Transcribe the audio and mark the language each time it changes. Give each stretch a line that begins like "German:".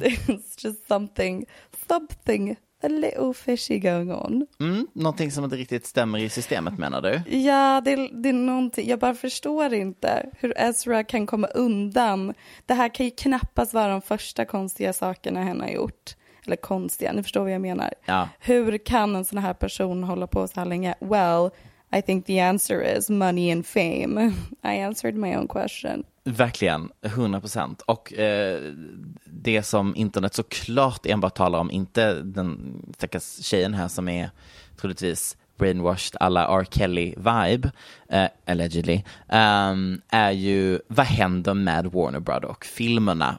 English: It's just something a little fishy going on.
Swedish: Någonting som inte riktigt stämmer i systemet, menar du? Ja, det är någonting. Jag bara förstår inte hur Ezra kan komma undan. Det här kan ju knappast vara de första konstiga sakerna henne har gjort. Eller konstiga, nu förstår vad jag menar. Ja. Hur kan en sån här person hålla på så här länge?
English: Well, I think the answer is money and fame. I answered my own question.
Swedish: Verkligen, 100%. Och det som internet såklart enbart talar om, inte den stackars tjejen här som är troligtvis brainwashed alla R. Kelly vibe, allegedly, är ju vad händer med Warner Brothers och filmerna?